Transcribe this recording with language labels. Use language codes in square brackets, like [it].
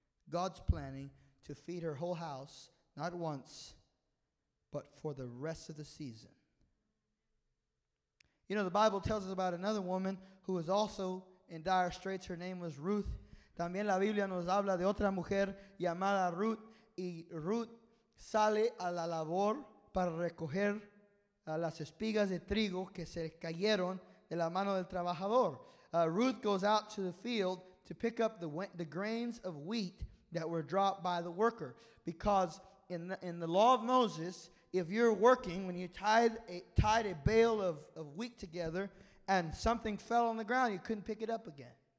[en] God's planning to feed her whole house, not once, but for the rest of the season. You know, the Bible tells us about another woman who was also in dire straits. Her name was Ruth. [es] También la Biblia nos habla de otra mujer llamada Ruth. Y Ruth sale a la labor para recoger las espigas de trigo que se cayeron de la mano del trabajador. [en] Ruth goes out to the field to pick up the grains of wheat that were dropped by the worker. Because in the law of Moses, if you're working, when you tied a bale of wheat together and something fell on the ground, you couldn't pick it up again.